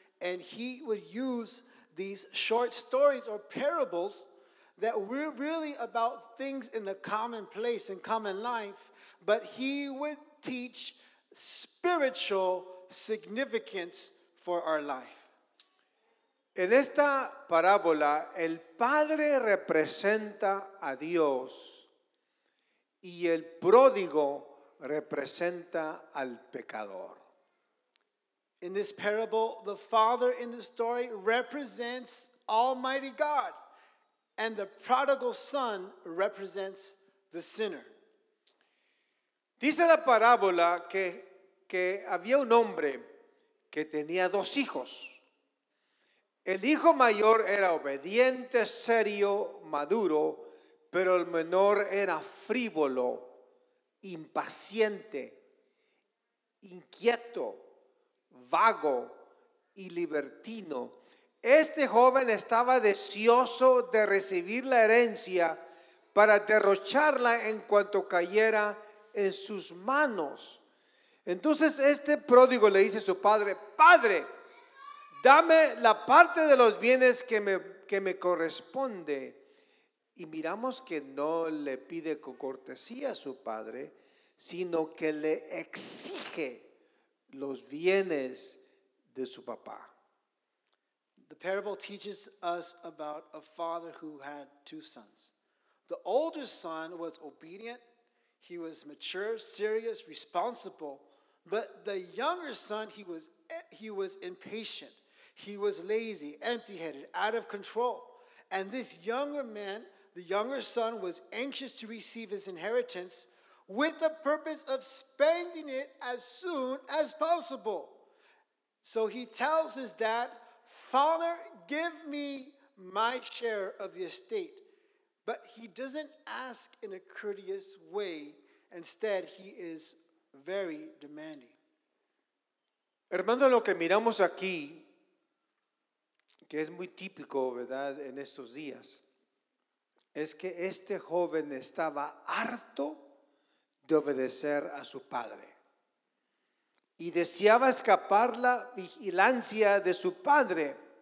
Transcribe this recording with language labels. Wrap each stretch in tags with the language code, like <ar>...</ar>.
<en>And he would use these short stories or parables that were really about things in the common place and common life, but he would teach spiritual significance for our life.</en> <es>En esta parábola, el padre representa a Dios y el pródigo representa al pecador.</es> <en>In this parable, the father in the story represents Almighty God, and the prodigal son represents the sinner.</en> <es>Dice la parábola que había un hombre que tenía dos hijos. El hijo mayor era obediente, serio, maduro, pero el menor era frívolo, impaciente, inquieto, vago y libertino. Este joven estaba deseoso de recibir la herencia para derrocharla en cuanto cayera en sus manos. Entonces este pródigo le dice a su padre: Padre, dame la parte de los bienes que me corresponde. Y miramos que no le pide con cortesía a su padre, sino que le exige los bienes de su papá.</es> <en>The parable teaches us about a father who had two sons. The older son was obedient. He was mature, serious, responsible. But the younger son, he was impatient. He was lazy, empty-headed, out of control. And this younger man, the younger son, was anxious to receive his inheritance with the purpose of spending it as soon as possible. So he tells his dad, "Father, give me my share of the estate." But he doesn't ask in a courteous way. Instead, he is very demanding.</en> <es>Hermano, lo que miramos aquí, que es muy típico, ¿verdad?, en estos días, es que este joven estaba harto de obedecer a su padre. Y deseaba escapar la vigilancia de su padre.</es>